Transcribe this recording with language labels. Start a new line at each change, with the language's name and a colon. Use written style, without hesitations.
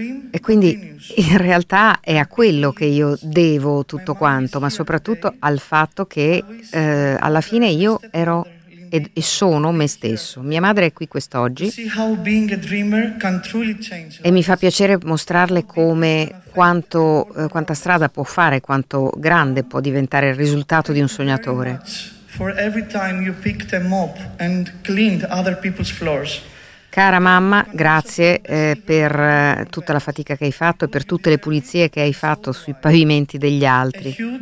Italian: E quindi in realtà è a quello che io devo tutto quanto, ma soprattutto al fatto che alla fine io ero e sono me stesso. Mia madre è qui quest'oggi e mi fa piacere mostrarle come quanta strada può fare, quanto grande può diventare il risultato di un sognatore.
English: For every time you picked a mop and cleaned other people's floors.
Italian: Cara mamma, grazie per tutta la fatica che hai fatto e per tutte le pulizie che hai fatto sui pavimenti degli altri.